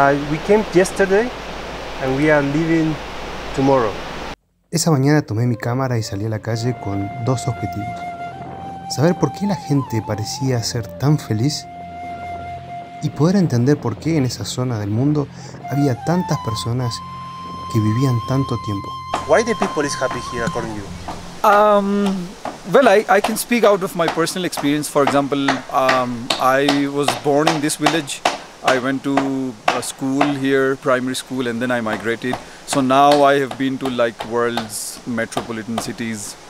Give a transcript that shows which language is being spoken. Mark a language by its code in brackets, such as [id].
[en] We came yesterday and we are leaving tomorrow. [es] Esa mañana tomé mi cámara y salí a la calle con dos objetivos. Saber por qué la gente parecía ser tan feliz y poder entender por qué en esa zona del mundo había tantas personas que vivían tanto tiempo. [en] Why the people is happy here according to you? Well, I can speak out of my personal experience. For example, I was born in this village. I went to a school here, primary school, and then I migrated. So now I have been to like world's metropolitan cities.